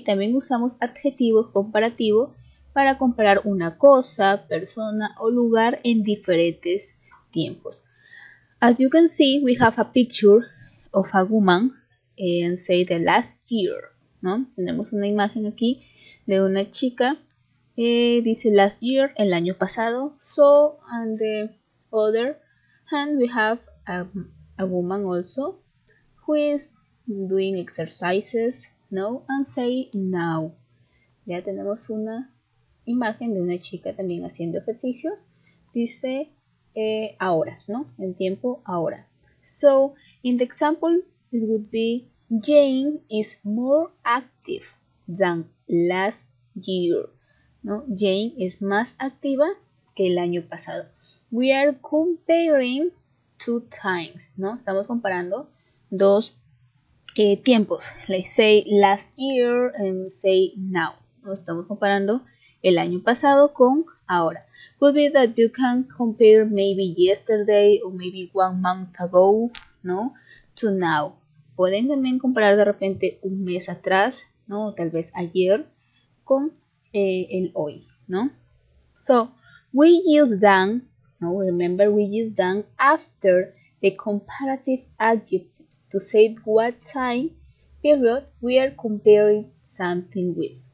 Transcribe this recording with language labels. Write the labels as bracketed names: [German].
[Spanish] También usamos adjetivos comparativos para comparar una cosa, persona o lugar en diferentes tiempos. [English] As you can see, we have a picture of a woman and say the last year, ¿no? [Spanish] Tenemos una imagen aquí de una chica, dice [English] last year, [Spanish] el año pasado. [English] So, on the other hand, we have a woman also who is doing exercises, ¿no? And say now. [Spanish] Ya tenemos una imagen de una chica también haciendo ejercicios, dice ahora, ¿no? En tiempo ahora. [English] So, in the example, it would be Jane is more active than last year, ¿no? [Spanish] Jane es más activa que el año pasado. [English] We are comparing two times, ¿no? [Spanish] Estamos comparando dos tiempos. [English] Let's say last year and say now, ¿no? [Spanish] Estamos comparando el año pasado con ahora. [English] Could be that you can compare maybe yesterday or maybe one month ago, ¿no? To now. [Spanish] Pueden también comparar de repente un mes atrás, ¿no? O tal vez ayer con el hoy, ¿no? [English] So, we use than, ¿no? Remember, we use than after the comparative adjectives to say what time period we are comparing something with.